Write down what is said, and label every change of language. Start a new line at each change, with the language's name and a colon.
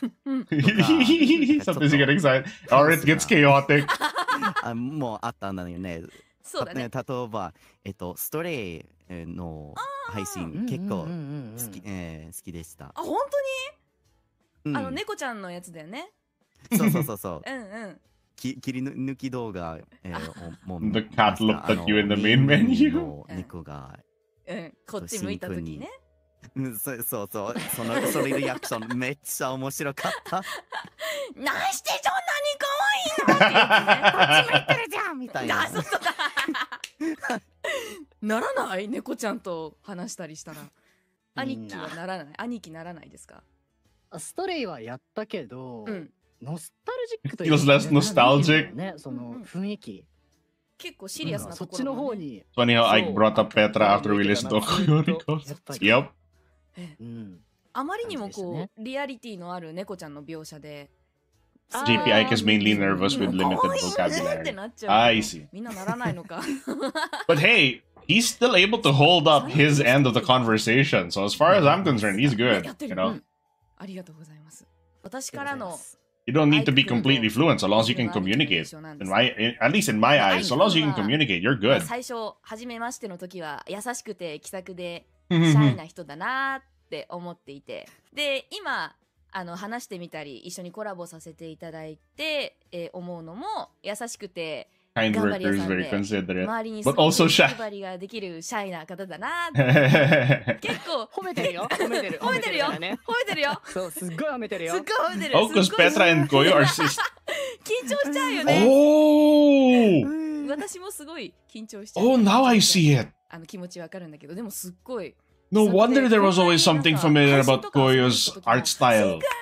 English: Something's getting excited. Or it gets chaotic.
Japanese: もうあったんだよね。そうだね。例えばストレイの配信結構好きでした。あ、本当に？あの猫ちゃんのやつだよね。そうそうそうそう。うんうん。切り抜き動画、もう。
English: The cat looked at you in the main menu。
Japanese: 猫が。こっち向いた時ね。そうそうそう。そのそれリアクションめっちゃ面白かった。なんしてそんなに可愛いの？こっち向いてるじゃんみたいな。そうそう。ならない？猫ちゃんと話したりしたら。兄貴はならない。兄貴ならないですか？ストレイはやったけど、ノスタルジックという
English: か、less nostalgic
Japanese: ね、その雰囲気、結構シリアスなそっちの方に。
English: Funny how I brought up Petra after we listened to Koyoriko. Yep.
Japanese: あまりにもこうリアリティのある猫ちゃんの描写で、
English: GPI is mainly nervous with limited vocabulary. I see.
Japanese: みんなならないのか。
English: But hey. He's still able to hold up his end of the conversation. So as far as I'm concerned, he's good, you know?
Japanese: ありがとうございます。私からの…
English: You don't need to be completely fluent, so long as you can communicate. At least in my eyes, so long as you can communicate, you're good.
Japanese: 最初、初めましての時は優しくて気さくでシャイな人だなって思っていて。で、今、話してみたり、一緒にコラボさせていただいて、思うのも優しくて、
English: Kind worker is very considerate. But also shy.
Japanese: 頑張りができる シャイな方だな。結構褒めてるよ。褒めてるよ。褒めてるよ。そう、すっごい褒めてるよ。すっごい褒めてる。
English: オークス、ペトラ and Koyo are sisters.
Japanese: 緊張しちゃうよね。おお。私もすごい緊張しちゃう。
English: Oh, now I see it.
Japanese: 気持ちわかるんだけど、でもすっごい。
English: No wonder there was always something familiar about Koyo's art style.